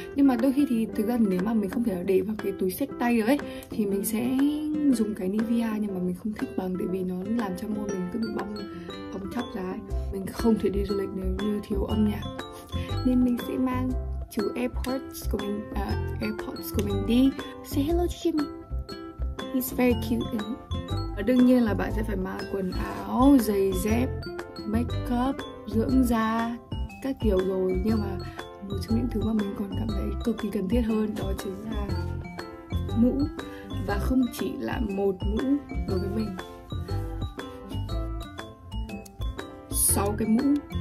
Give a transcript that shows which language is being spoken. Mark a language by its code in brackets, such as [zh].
[vi] Nhưng mà đôi khi thì thực ra nếu mà mình không thể để vào cái túi xách tay được ấy thì mình sẽ dùng cái Nivea, nhưng mà mình không thích bằng tại vì nó làm cho môi mình cứ bị bong bong chóc ra ấy. Mình không thể đi du lịch nếu như thiếu âm nhạc, nên mình sẽ mang chữ AirPods của mình đi. [en] Say hello to Jimmy, he's very cute. [vi] Và đương nhiên là bạn sẽ phải mang quần áo, giày dép, make up, dưỡng da các kiểu rồi, nhưng mà một trong những thứ mà mình còn cảm thấy cực kỳ cần thiết hơn đó chính là mũ, và không chỉ là một mũ đối với mình, 6 cái mũ.